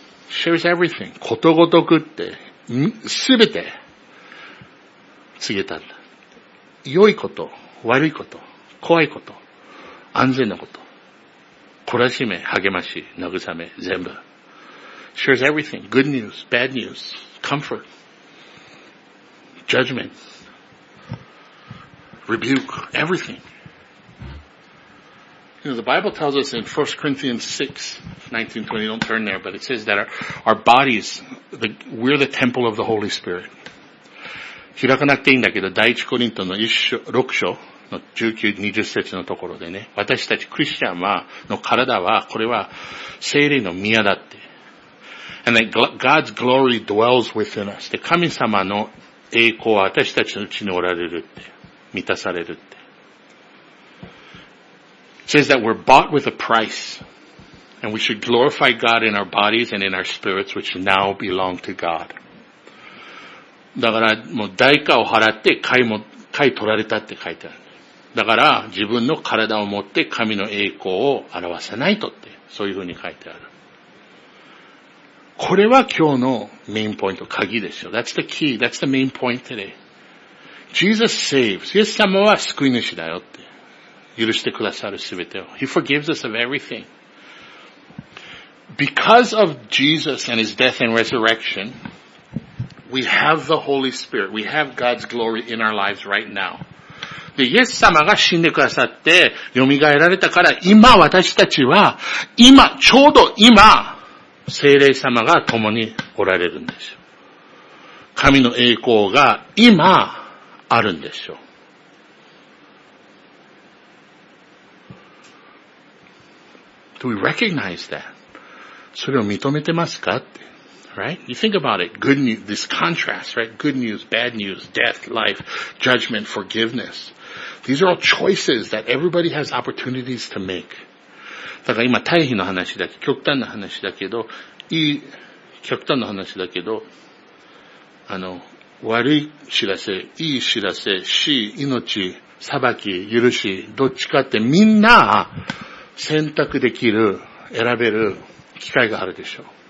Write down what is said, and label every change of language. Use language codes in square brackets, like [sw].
[en] Shares everything. [ja] ことごとくって、すべて告げたんだ。良いこと、悪いこと、怖いこと、安全なこと、懲らしめ、励まし、慰め、全部。 [en] Shares everything. Good news, bad news, comfort, judgment, rebuke, everything. You know, the Bible tells us in 1 Corinthians 6, 19, 20, don't turn there, but it says that our bodies, we're the temple of the Holy Spirit. [ja] 開かなくていいんだけど、第一コリントの6章の19、20節のところでね、私たちクリスチャンはの体は、これは聖霊の宮だって。 [en] And that God's glory dwells within us. [ja] で、神様の栄光は私たちのうちにおられるって。満たされるって。 [en] It says that we're bought with a price. And we should glorify God in our bodies and in our spirits, which now belong to God. [ja] だから、もう代価を払って買い取られたって書いてある。だから自分の体を持って神の栄光を表さないとって、そういうふうに書いてある。これは今日のメインポイント、鍵ですよ。 [en] That's the key, that's the main point today. Jesus saves. [ja] イエス様は救い主だよって。許してくださるすべてを。 [en] He forgives us of everything. Because of Jesus and his death and resurrection, we have the Holy Spirit. We have God's glory in our lives right now. [ja] で、イエス様が死んでくださって、蘇られたから、今私たちは、今、ちょうど今、聖霊様が共におられるんですよ。神の栄光が今あるんですよ。 [en] Do we recognize that? [ja] それを認めてますかって。 [en] Right? You think about it. Good news, this contrast, right? Good news, bad news, death, life, judgment, forgiveness. These are all choices that everybody has opportunities to make. [ja] だから今、対比の話だけ、極端な話だけど、いい、極端な話だけど、悪い知らせ、いい知らせ、死、命、裁き、許し、どっちかってみんな選択できる、選べる機会があるでしょう。